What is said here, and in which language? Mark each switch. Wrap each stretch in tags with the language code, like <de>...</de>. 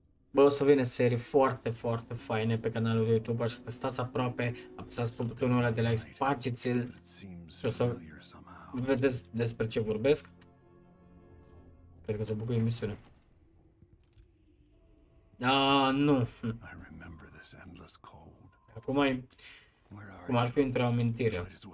<ro>Bă, o să vină serii foarte, foarte faine pe canalul de YouTube, așa că stați aproape, apăsați pe butonul ăla de like, spargeți-l și o să vedeți despre ce vorbesc. Cred că se bucură emisiunea. Nu.</ro> <en>I remember this endless cold.</en> <ro>Acum ai, cum ar fi într-o amintire.</ro>